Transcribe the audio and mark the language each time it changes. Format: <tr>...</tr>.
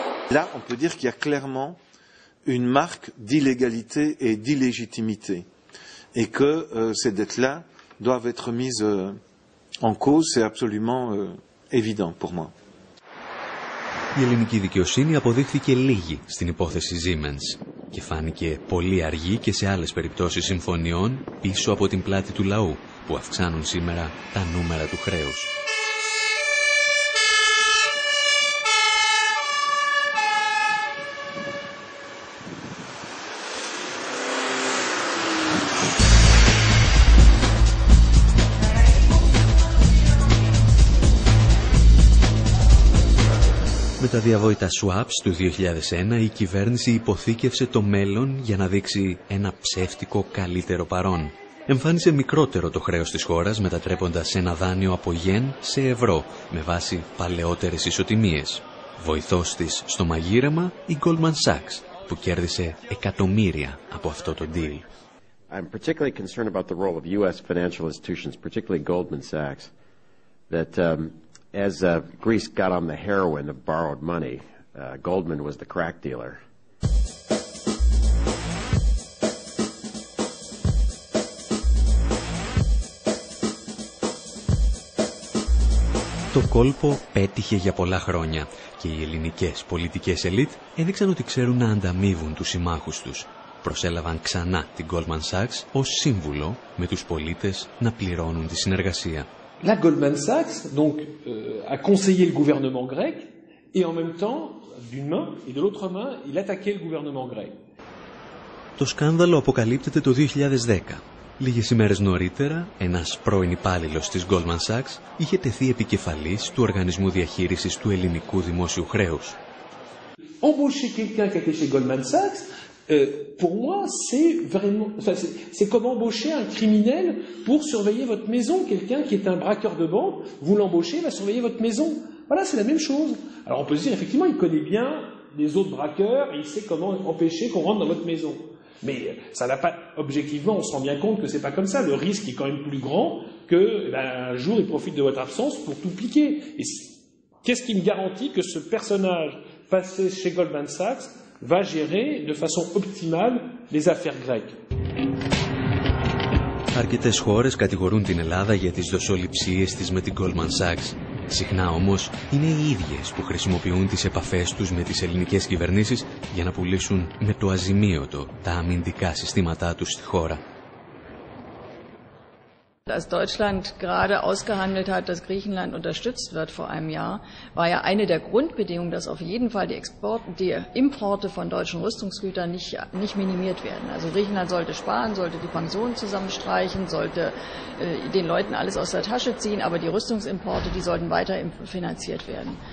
<fr>Là, on peut dire qu'il y a clairement une marque d'illégalité et d'illégitimité et que ces dettes-là doivent être mises en cause, c'est absolument évident pour moi.</fr> <el>Η ελληνική δικαιοσύνη αποδείχθηκε λίγη στην υπόθεση Siemens και φάνηκε πολύ αργή και σε άλλες περιπτώσεις συμφωνιών πίσω από την πλάτη του λαού που αυξάνουν σήμερα τα νούμερα του χρέους. Με τα διαβόητα swaps του 2001, η κυβέρνηση υποθήκευσε το μέλλον για να δείξει ένα ψεύτικο καλύτερο παρόν. Εμφάνισε μικρότερο το χρέος της χώρας, μετατρέποντας ένα δάνειο από γεν σε ευρώ, με βάση παλαιότερες ισοτιμίες. Βοηθός της στο μαγείρεμα, η Goldman Sachs, που κέρδισε εκατομμύρια από αυτό το deal.</el> <en>I'm particularly concerned about the role of U.S. financial institutions, particularly Goldman Sachs, that as Greece got on the heroin of borrowed money, Goldman was the crack dealer.</en> <el>Το κόλπο πέτυχε για πολλά χρόνια και οι ελληνικές πολιτικές ελίτ έδειξαν ότι ξέρουν να ανταμείβουν τους συμμάχους τους. Προσέλαβαν ξανά την Goldman Sachs ως σύμβουλο με τους πολίτες να πληρώνουν τη συνεργασία.</el> <fr>La Goldman Sachs donc a conseillé le gouvernement grec et en même temps d'une main et de l'autre main il attaquait le gouvernement grec.</fr> <el>Το σκάνδαλο αποκαλύπτεται το 2010. Λίγες ημέρες νωρίτερα, ένας πρώην υπάλληλος της Goldman Sachs είχε τεθεί επικεφαλής του Οργανισμού Διαχείρισης του Ελληνικού Δημόσιου Χρέους.</el> <fr>Embaucher quelqu'un qui était chez Goldman Sachs, pour moi, c'est vraiment, c'est comme embaucher un criminel pour surveiller votre maison. Quelqu'un qui est un braqueur de banque, vous l'embauchez, va surveiller votre maison. Voilà, c'est la même chose. Alors on peut dire, effectivement, il connaît bien les autres braqueurs, il sait comment empêcher qu'on rentre dans votre maison. Mais ça n'a pas, objectivement, on se rend bien compte que ce n'est pas comme ça. Le risque est quand même plus grand que, ben, un jour, il profite de votre absence pour tout piquer. Et qu'est-ce qui me garantit que ce personnage passé chez Goldman Sachs va gérer de façon optimale les affaires grecques ?</fr> <el>Αρκετές χώρες κατηγορούν την Ελλάδα για τις δοσοληψίες της με την Goldman Sachs. Συχνά όμως είναι οι ίδιες που χρησιμοποιούν τις επαφές τους με τις ελληνικές κυβερνήσεις για να πουλήσουν με το αζημίωτο τα αμυντικά συστήματά τους στη χώρα.</el> <de>Als Deutschland gerade ausgehandelt hat, dass Griechenland unterstützt wird vor einem Jahr, war ja eine der Grundbedingungen, dass auf jeden Fall die Exporte, die Importe von deutschen Rüstungsgütern nicht minimiert werden. Also Griechenland sollte sparen, sollte die Pensionen zusammenstreichen, sollte den Leuten alles aus der Tasche ziehen, aber die Rüstungsimporte, die sollten weiter finanziert werden.</de>